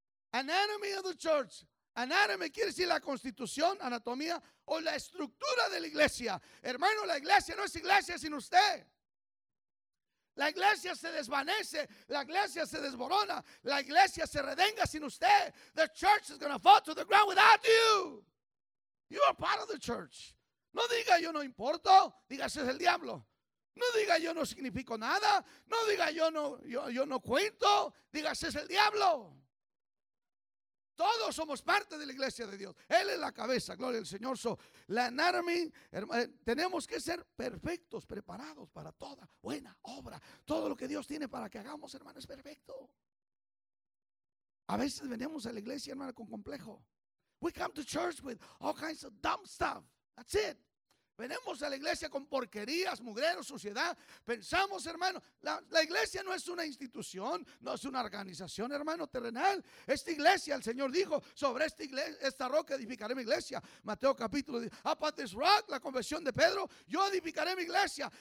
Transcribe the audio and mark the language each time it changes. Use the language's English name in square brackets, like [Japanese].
[English] Anatomy of the church. [Spanish] Anatomy quiere decir la constitución, anatomía o la estructura de la iglesia. Hermano, la iglesia no es iglesia sin usted. La iglesia se desvanece, la iglesia se desborona, la iglesia se redenga sin usted. [English] The church is going to fall to the ground without you. You are part of the church. [Spanish] No diga yo no importo, diga ese es el diablo. No diga yo no significo nada. No diga yo no cuento. Diga, ese es el diablo. Todos somos parte de la iglesia de Dios. Él es la cabeza. Gloria al Señor. So, la Narmi, tenemos que ser perfectos, preparados para toda buena obra. Todo lo que Dios tiene para que hagamos, hermano, es perfecto. A veces venimos a la iglesia, hermano, con complejo. [English] We come to church with all kinds of dumb stuff. That's it. [Spanish] Venimos a la iglesia con porquerías, mugreros, suciedad. Pensamos, hermano, la iglesia no es una institución, no es una organización, hermano, terrenal. Esta iglesia, el Señor dijo, sobre esta iglesia, esta roca edificaré mi iglesia. Mateo capítulo 10, [English] upon this rock, [Spanish] la confesión de Pedro, yo edificaré mi iglesia.